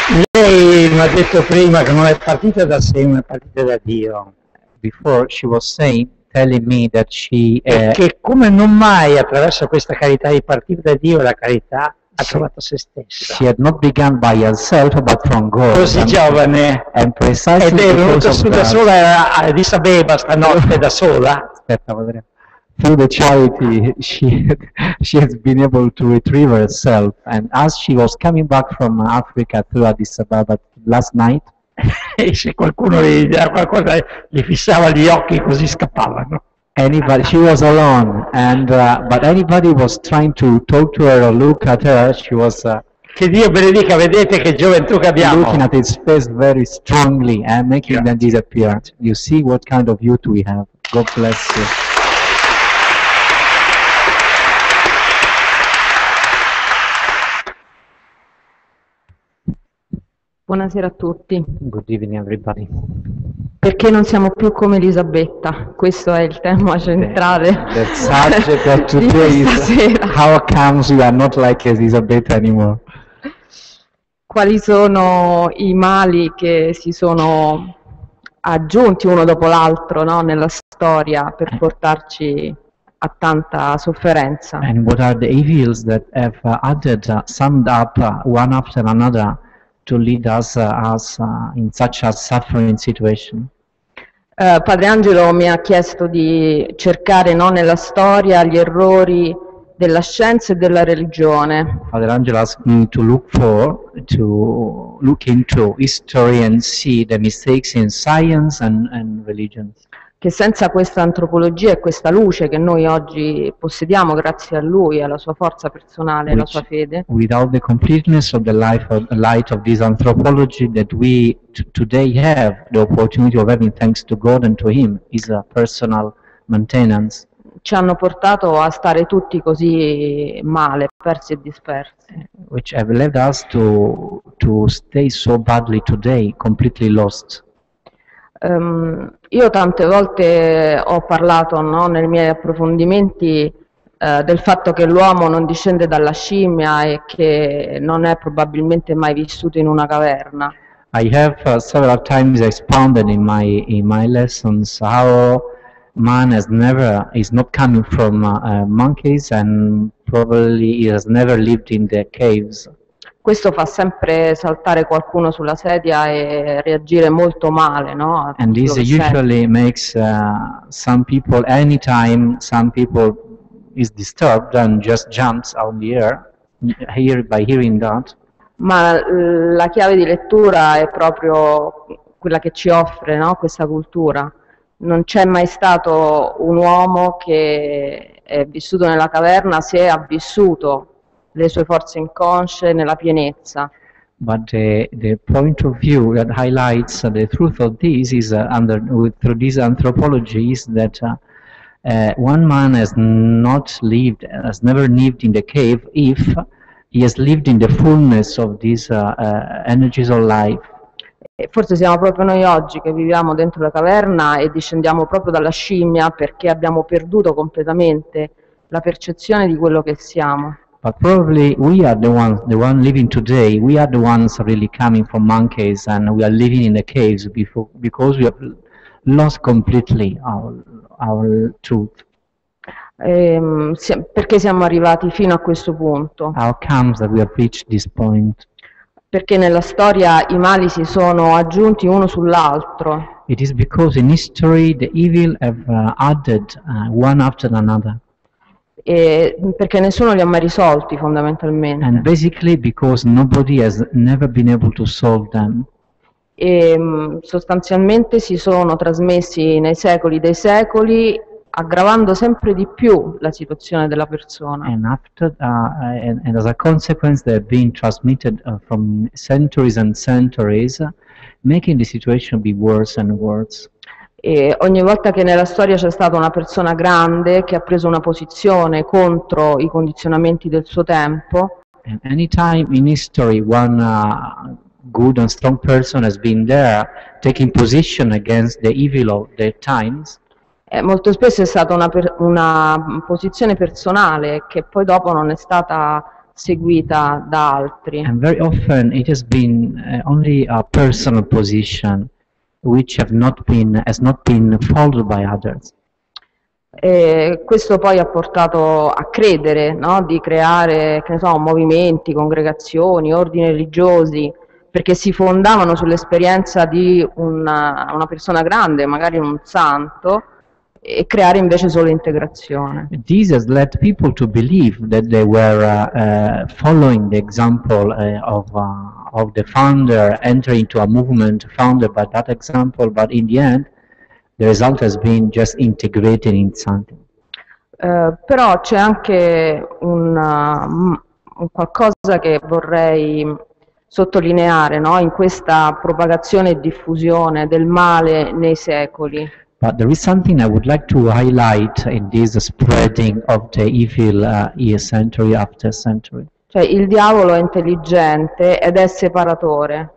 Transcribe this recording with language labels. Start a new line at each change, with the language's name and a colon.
Italian: Lei mi ha detto prima che non è partita da sé, ma è partita da Dio.
English: Before she was telling me that she
Italian: che come non mai attraverso questa carità di partire da Dio, la carità ha trovato se stessa.
English: She had not begun by herself, but from God.
Italian: Così giovane.
English: And precisely
Italian: ed è venuta su da sola a Addis Abeba stanotte da sola. Aspetta, vedremo.
English: Through the charity, she has been able to retrieve herself. And as she was coming back from Africa through Addis Ababa last night,
Italian: se qualcuno gli dava qualcosa, gli fissava gli occhi così scappavano.
English: Anybody, she was alone, but anybody was trying to talk to her or look at her, she was.
Italian: Che Dio benedica, vedete che gioventù che abbiamo.
English: Looking at his face very strongly and making them disappear. You see what kind of youth we have. God bless you.
Italian: Buonasera a tutti.
English: Good evening everybody.
Italian: Perché non siamo più come Elisabetta? Questo è il tema centrale.
English: How come we are not like Elisabetta anymore?
Italian: quali sono i mali che si sono aggiunti uno dopo l'altro, no, nella storia per portarci a tanta sofferenza.
English: And what are the evils that have added, summed up one after another to lead us, us in such a suffering situation?
Italian: Padre Angelo mi ha chiesto di cercare, no, nella storia gli errori della scienza e della religione.
English: Father Angelo asked me to look for, to look into history and see the mistakes in science and religion.
Italian: Che senza questa antropologia e questa luce che noi oggi possediamo grazie a lui, alla sua forza personale, alla sua fede.
English: Without the completeness of the life of the light of this anthropology that we today have the opportunity of having thanks to God and to him is a personal maintenance.
Italian: Ci hanno portato a stare tutti così male, persi e dispersi.
English: Which have led us to stay so badly today, completely lost.
Italian: Io tante volte ho parlato, no, nei miei approfondimenti del fatto che l'uomo non discende dalla scimmia e che non è probabilmente mai vissuto in una caverna.
English: I have several times expounded in my lessons how man has never is not coming from monkeys and probably he has never lived in the caves.
Italian: Questo fa sempre saltare qualcuno sulla sedia e reagire molto male, no?
English: And this usually makes some people, anytime some people is disturbed and just jumps on the air here by hearing that.
Italian: Ma la chiave di lettura è proprio quella che ci offre, no, questa cultura. Non c'è mai stato un uomo che è vissuto nella caverna se ha vissuto le sue forze inconsce nella pienezza.
English: But the point of view that highlights the truth of this is through this anthropology is that one man has not lived, has never lived in the cave if he has lived in the fullness of these energies of life.
Italian: Forse siamo proprio noi oggi che viviamo dentro la caverna e discendiamo proprio dalla scimmia perché abbiamo perduto completamente la percezione di quello che siamo.
English: But probably we are the one living today, we are the ones really coming from monkeys and we are living in the caves because we have lost completely our truth.
Italian: Perché siamo arrivati fino a questo punto?
English: How comes that we have reached this point?
Italian: Perché nella storia i mali si sono aggiunti uno sull'altro.
English: It is because in history the evil have added one after another.
Italian: E perché nessuno li ha mai risolti fondamentalmente.
English: And basically because nobody has never been able to solve them.
Italian: E sostanzialmente si sono trasmessi nei secoli dei secoli, aggravando sempre di più la situazione della persona.
English: And after and as a consequence they have been transmitted from centuries and centuries, making the situation be worse and worse.
Italian: E ogni volta che nella storia c'è stata una persona grande che ha preso una posizione contro i condizionamenti del suo tempo.
English: And any time in history one good and strong person has been there taking position against the evil of the times.
Italian: Molto spesso è stata una posizione personale che poi dopo non è stata seguita da altri.
English: And very often it has been only a personal position which has not been followed by others.
Italian: E questo poi ha portato a credere, no, di creare, che ne so, movimenti, congregazioni, ordini religiosi, perché si fondavano sull'esperienza di una persona grande, magari un santo, e creare invece solo integrazione.
English: This has led people to believe that they were following the example of the founder entering into a movement founded by that example, but in the end the result has been just integrated in something.
Italian: Però c'è anche un qualcosa che vorrei sottolineare, no, in questa propagazione e diffusione del male nei secoli.
English: But there is something I would like to highlight in this spreading of the evil century after century.
Italian: Cioè il diavolo è intelligente ed è separatore.